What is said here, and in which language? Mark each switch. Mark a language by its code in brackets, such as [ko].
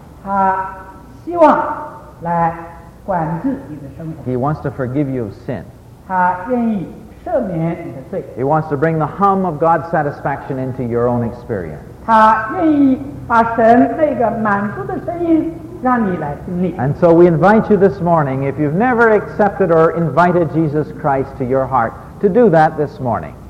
[zh] 他希望来管制你的生活。 [en] He wants to forgive you of sin. [zh] 他愿意赦免你的罪。 [en] He wants to bring the hum of God's satisfaction into your own experience. [zh] 他愿意把神那个满足的声音让你来经历。 [en] And so we invite you this morning, if you've never accepted or invited Jesus Christ to your heart, to do that this morning.